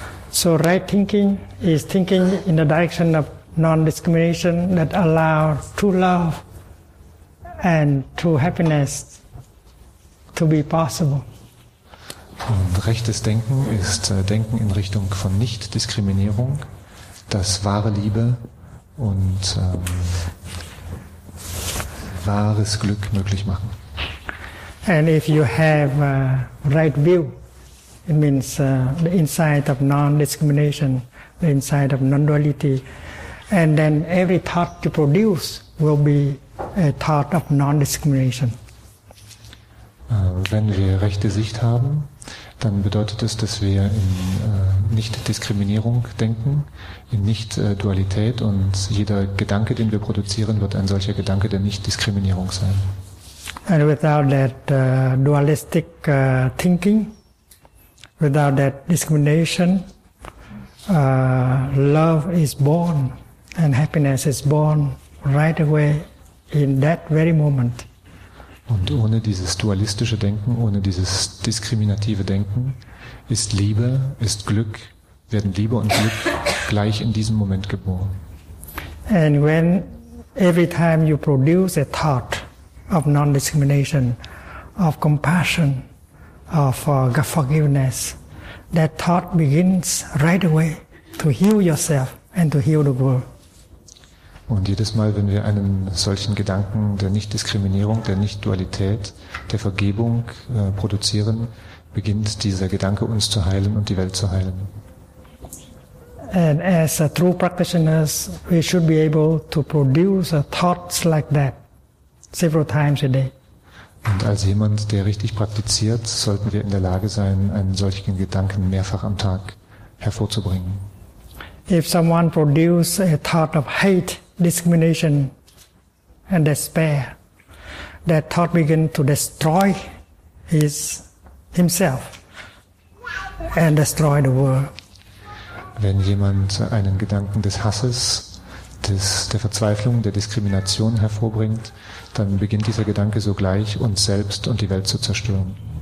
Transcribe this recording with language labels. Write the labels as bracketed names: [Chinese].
[English] So right thinking is thinking in the direction of non-discrimination that allows true love and true happiness to be possible. [German] Und rechtes Denken ist Denken in Richtung von Nicht-Diskriminierung, dass wahre Liebe und wahres Glück möglich machen. [English] And if you have a right view, it means the insight of non-discrimination, the insight of non-duality, and then every thought you produce will be a thought of non-discrimination. [German] Wenn wir rechte Sicht haben, dann bedeutet es, dass wir in Nicht-Diskriminierung denken, in Nicht-Dualität, und jeder Gedanke, den wir produzieren, wird ein solcher Gedanke der Nicht-Diskriminierung sein. [English] And without that dualistic thinking, without that discrimination, love is born and happiness is born right away in that very moment. [German] Und ohne dieses dualistische Denken, ohne dieses diskriminative Denken, ist Liebe, ist Glück, werden Liebe und Glück gleich in diesem Moment geboren. [English] And when every time you produce a thought of non-discrimination, of compassion, of forgiveness, that thought begins right away to heal yourself and to heal the world. [German] Und jedes Mal, wenn wir einen solchen Gedanken der Nicht-Diskriminierung, der Nicht-Dualität, der Vergebung produzieren, beginnt dieser Gedanke uns zu heilen und die Welt zu heilen. [English] And as a true practitioners, we should be able to produce thoughts like that several times a day. [German] Und als jemand, der richtig praktiziert, sollten wir in der Lage sein, einen solchen Gedanken mehrfach am Tag hervorzubringen. [English] If someone produces a thought of hate, discrimination and despair, that thought begins to destroy his himself and destroy the world. [German] Wenn jemand einen Gedanken des Hasses, der Verzweiflung, der Diskrimination hervorbringt, dann beginnt dieser Gedanke sogleich, uns selbst und die Welt zu zerstören.